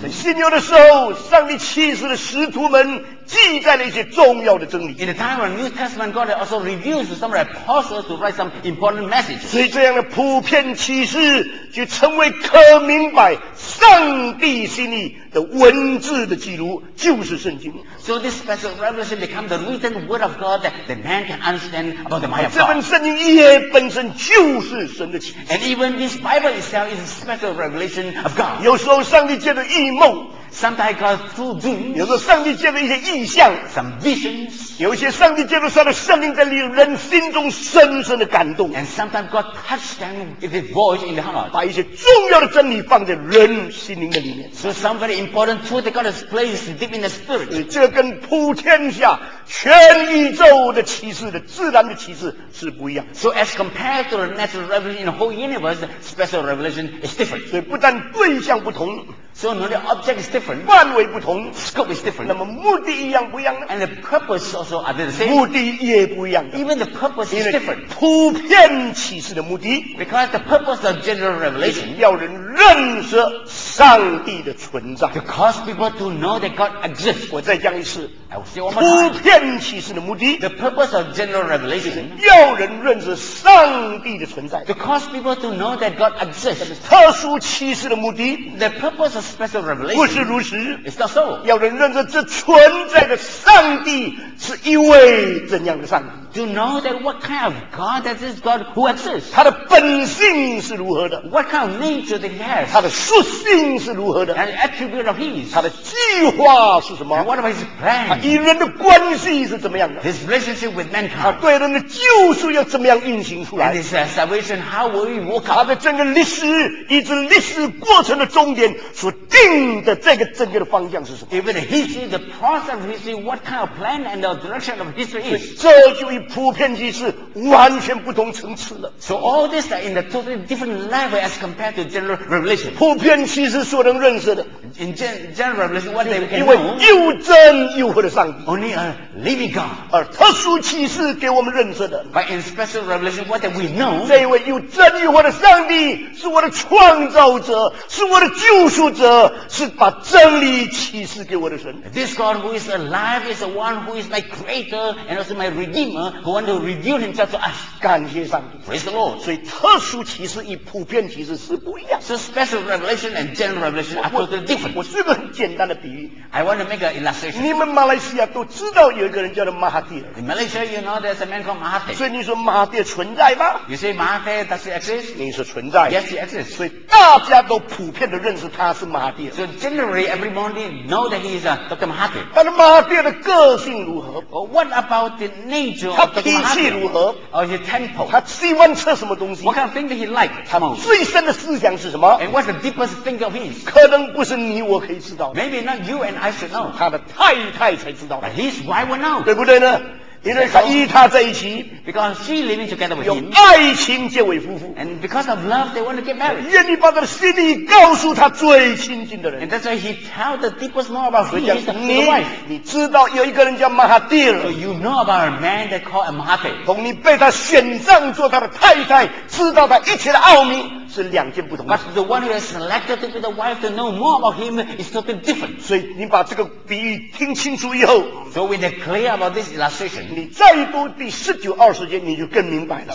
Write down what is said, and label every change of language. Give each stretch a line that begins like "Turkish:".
Chinese: 在新约的时候, 上帝启示的使徒们, 记载了一些重要的真理。
English: In the time of the New Testament, God has also revealed to some of the apostles to write some important message.
Chinese: 所以这样的普遍启示, 就成为可明白上帝心意的文字的记录, 就是圣经。
English: So this special revelation becomes the written word of God that the man can understand about the mind of God.
Chinese: 这本圣经也本身就是神的启示。
English: And even this Bible itself is a special revelation of God.
Chinese: 有时候上帝借着异梦,
English: sometimes God through dreams,
Chinese: 有时候上帝借着一些意象,
English: some visions,
Chinese: 有些上帝借着他的圣灵在人心中深深的感动,
English: and sometimes God touched them with his voice in the heart,
Chinese: 把一些重要的真理放在人心灵的里面。
English: So some very important truth that God has placed deep in the spirit.
Chinese: 这跟普天下全宇宙的启示的自然的启示是不一样。
English: So as compared to the natural revelation in the whole universe, the special revelation is different.
Chinese: 所以不但对象不同,
English: so no, the object is different.
Chinese: 范围不同,
English: scope is different.
Chinese: 那么目的一样不一样呢?
English: And the purpose also are the same.
Chinese: 目的也不一样,
English: even the purpose is different.
Chinese: 普遍启示的目的,
English: because the purpose of general revelation,
Chinese: 要人认识上帝的存在,
English: to cause people to know that God exists.
Chinese: 我再讲一次,
English: I will say one more time.
Chinese: 普遍启示的目的,
English: the purpose of general revelation,
Chinese: 要人认识上帝的存在,
English: to cause people to know that God exists.
Chinese: 特殊启示的目的,
English: the purpose of special revelation,
Chinese: 不是如此,
English: it's not so.
Chinese: 要人认识这存在的上帝是一位怎样的上帝,
English: to know that what kind of God that is God who exists.
Chinese: 他的本性是如何的,
English: what kind of nature that he has.
Chinese: 他的属性是如何的,
English: and the attribute of his.
Chinese: 他的计划是什么,
English: and what about his plan.
Chinese: 他与人的关系是怎么样的,
English: his relationship with mankind.
Chinese: 他对人的救赎要怎么样运行出来,
English: and his salvation, how will he work out.
Chinese: 他的整个历史以及历史过程的终点, 所定的这个整个的方向是什么,
English: even the history, the process of history, what kind of plan and the direction of history is.
Chinese: 普遍启示完全不同层次了。
English: So all this are in the totally different level as compared to general revelation.
Chinese: 普遍启示所能认识的,
English: in general revelation, what they can know,
Chinese: 因为又真又活的上帝,
English: only a living God.
Chinese: 而特殊启示给我们认识的,
English: but in special revelation, what that we know,
Chinese: 这位又真又活的上帝, 是我的创造者, 是我的救赎者, 是把真理启示给我的神。
English: This God who is alive is the one who is my creator and also my redeemer. who want to reveal himself to us.
Chinese: 感谢上帝。
English: Praise the Lord.
Chinese: 所以特殊启示与普遍启示是不一样。
English: So special revelation and general revelation are totally different.
Chinese: 我举个很简单的比喻。
English: I want to make an illustration.
Chinese: 你们马来西亚都知道有一个人叫做马哈蒂。
English: In Malaysia, you know there's a man called Mahathir.
Chinese: 所以你说马哈蒂存在吗？
English: You say Mahathir does he exist?
Chinese: 你说存在。
English: Yes, he exists.
Chinese: 所以大家都普遍的认识他是马哈蒂。
English: So generally, every morning, know that he is a Dr. Mahathir.
Chinese: 但马哈蒂的个性如何？
English: Well, what about the nature of Dr. Mahathir?
Chinese: 他脾气如何？
English: Or his tempo?
Chinese: 他喜欢吃什么东西？
English: What kind of thing that he like?
Chinese: 他最深的思想是什么？
English: And what's the deepest thing of his?
Chinese: 可能不是你我可以知道的。
English: Maybe not you and I should know.
Chinese: 他的太太才知道的。
English: But his wife will know.
Chinese: 对不对呢？因为他与他在一起
English: ，because she living together with him，
Chinese: 用爱情结为夫妇
English: ，and because of love they want to get married，
Chinese: 愿意把他的心意告诉他最亲近的人
English: ，and that's why he tells the deepest more about his wife。
Chinese: 你知道有一个人叫 Mahathir，
English: so you know about a man they call a Mahathir。
Chinese: 同你被他选上做他的太太，知道他一切的奥秘。是两件不同的事。
English: But the one who has selected to be the wife to know more about him is totally different.
Chinese: 所以你把这个比喻听清楚以后
English: ，So when you're clear about this illustration，
Chinese: 你再读第十九、二十节，你就更明白了。